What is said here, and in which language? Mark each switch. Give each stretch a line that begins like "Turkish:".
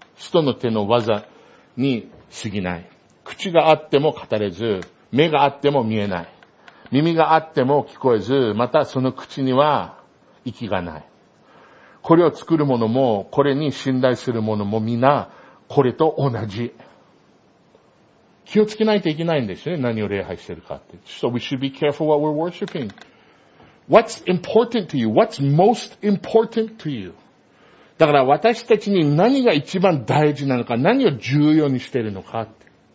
Japanese: 人の手の技に過ぎない。口があっても語れず、目があっても見えない。耳があっても聞こえず、またその口には息がない。これを作る者も、これに信頼する者も、みんな、これと同じ。気をつけないといけないんですよね。何を礼拝してるかって。
English: So we should be careful what we're worshiping. What's important to you? What's most important to you?
Japanese: だから私たちに何が一番大事なのか、何を重要にしているのかって。